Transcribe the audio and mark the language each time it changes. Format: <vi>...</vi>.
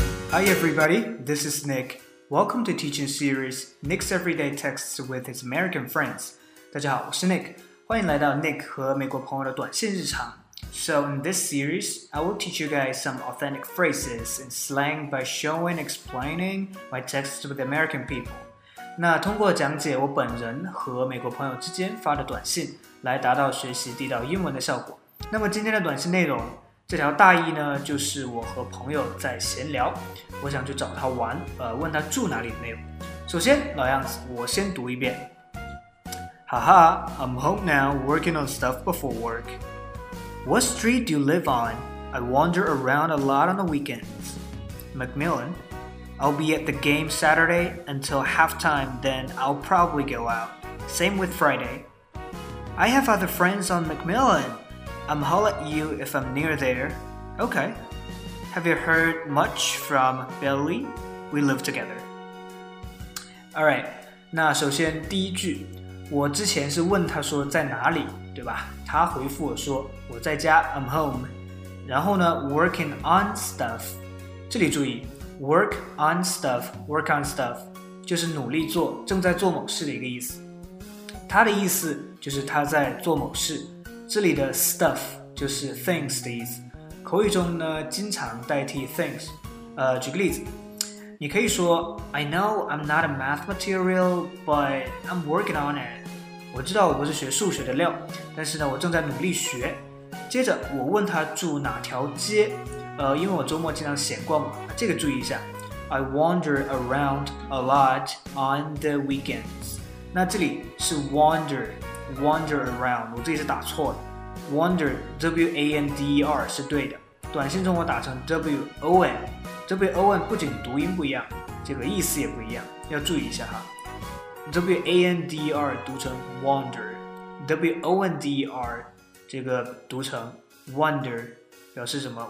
<en>Hi everybody, this is Nick. Welcome to teaching series Nick's Everyday Texts with his American friends.</en> <zh>大家好，我是 Nick， 欢迎来到 Nick 和美国朋友的短信日常。</zh> <en>So in this series, I will teach you guys some authentic phrases and slang by showing explaining my texts with American people.</en> <zh>那通过讲解我本人和美国朋友之间发的短信，来达到学习地道英文的效果。那么今天的短信内容，这条大意呢，就是我和朋友在闲聊，我想去找他玩，问他住哪里的内容。首先，老样子，我先读一遍。</zh> <en>Haha, I'm home now, working on stuff before work. What street do you live on? I wander around a lot on the weekends. Macmillan. I'll be at the game Saturday until halftime, then I'll probably go out. Same with Friday. I have other friends on Macmillan. I'm holler at you if I'm near there. Okay. Have you heard much from Billy? We live together.</en> <zh>Alright, 那首先第一句。我之前是问他说在哪里，对吧？他回复我说我在家 ，</zh> <en>I'm home。</en> <zh>然后呢 ，</zh> <en>working on stuff。</en> <zh>这里注意 ，</zh> <en>work on stuff，</en> <zh>就是努力做，正在做某事的一个意思。他的意思就是他在做某事。这里的 stuff 就是 things 的意思。口语中呢，经常代替 things。举个例子。你可以说</zh> <en>I know I'm not a math material, but I'm working on it.</en> <zh>我知道我不是学数学的料，但是呢，我正在努力学。接着我问他住哪条街，因为我周末经常闲逛嘛，这个注意一下。</zh> <en>I wander around a lot on the weekends.</en> <zh>那这里是</zh> <en>wander around，</en> <zh>我这里是打错的。 Wander W-A-N-D-E-R 是对的，短信中我打成 W-O-N。 W-O-N 不仅读音不一样，这个意思也不一样，要注意一下哈。 W-A-N-D-E-R 读成 wander， W-O-N-D-E-R 这个读成 wonder， 表示什么？</zh>